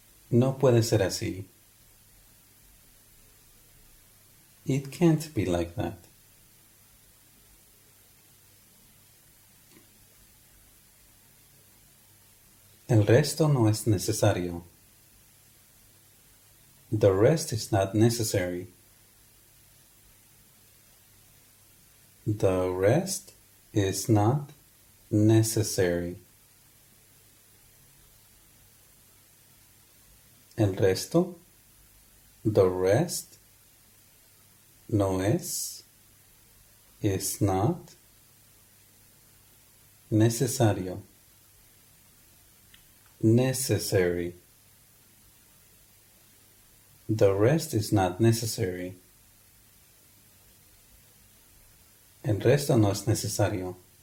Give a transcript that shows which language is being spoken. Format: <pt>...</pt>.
<es>No puede ser así.</es> <en>It can't be like that.</en> <es>El resto no es necesario.</es> <en>The rest is not necessary. The rest is not necessary.</en> <es>El resto,</es> <en>the rest,</en> <es>no es,</es> <en>is not,</en> <es>necesario,</es> <en>necessary. The rest is not necessary.</en> <es>El resto no es necesario.</es>